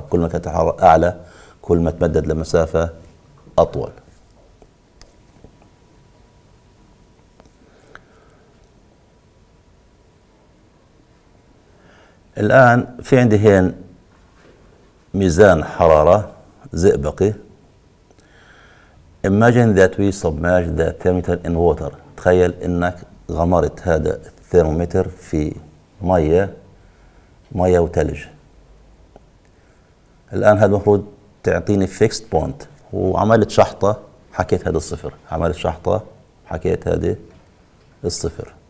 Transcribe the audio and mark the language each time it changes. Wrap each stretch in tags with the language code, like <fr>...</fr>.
<ar>كل ما كانت الحرارة اعلى كل ما تمدد لمسافة اطول. الان في عندي هين ميزان حرارة زئبقي.</ar> <en>Imagine that we submerge the thermometer in water.</en> <ar>تخيل انك غمرت هذا الثيرمومتر في ميه وتلج. الان هذا المفروض تعطيني fixed point، وعملت شحطه حكيت هذا الصفر، عملت شحطه حكيت هذا الصفر.</ar>